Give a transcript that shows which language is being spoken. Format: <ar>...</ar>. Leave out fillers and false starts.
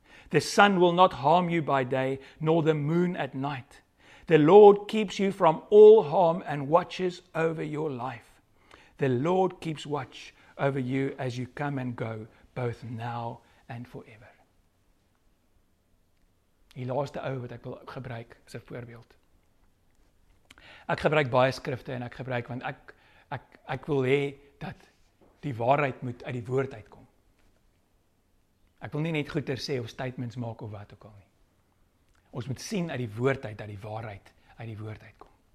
<en>The sun will not harm you by day, nor the moon at night. The Lord keeps you from all harm and watches over your life. The Lord keeps watch over you as you come and go, both now and forever."</en> <af>Die laaste ou wat ek wil gebruik as 'n voorbeeld. Ek gebruik baie skrifte en ek gebruik want ek wil hê dat die waarheid moet uit die woord uitkom. Ek wil nie net goeieers sê of statements maak of wat ook al nie. Ons moet sien uit die woord uit dat die waarheid uit die woord uitkom.</af>